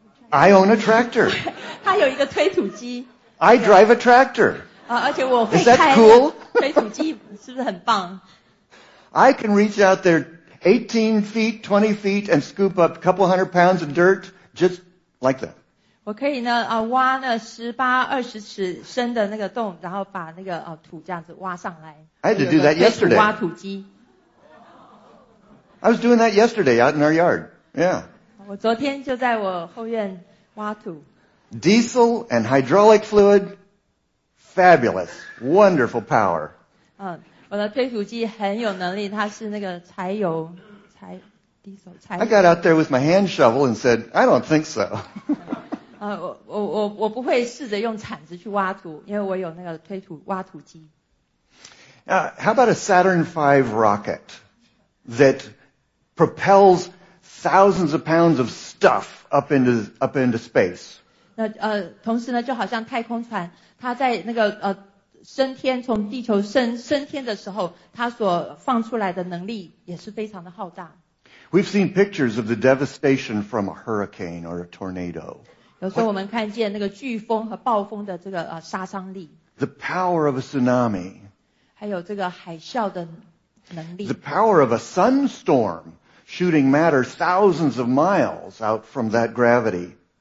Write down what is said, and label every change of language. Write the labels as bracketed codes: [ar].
[en] I own a tractor. [zh] 他有一个推土机。 [en] I drive a tractor. [zh] 而且我会开。 [en] Is that cool? [zh] 推土机是不是很棒？ [en] I can reach out there 18 feet, 20 feet and scoop up a couple hundred pounds of dirt just like that. [zh] 我可以呢挖呢18、20尺深的那个洞，然后把那个土这样子挖上来。 [en] I had to do that yesterday. [zh] 挖土机。 [en] I was doing that yesterday out in our yard. Yeah. [zh] 我昨天就在我后院挖土。 [en] Diesel and hydraulic fluid, fabulous, wonderful power. [zh] 我的推土机很有能力，它是那个柴油，柴 diesel 柴油。 [en] I got out there with my hand shovel and said, I don't think so. [zh] 我不会试着用铲子去挖土，因为我有那个推土挖土机。 [en] How about a Saturn V rocket that propels thousands of pounds of stuff up into space? [zh] 同时呢，就好像太空船，它在那个升天，从地球升天的时候，它所放出来的能力也是非常的浩大。 [en] We've seen pictures of the devastation from a hurricane or a tornado. [zh] 有时候我们看见那个飓风和暴风的这个杀伤力。 [en] The power of a tsunami. [zh] 还有这个海啸的能力。 [en] The power of a sunstorm shooting matter thousands of miles out from that gravity.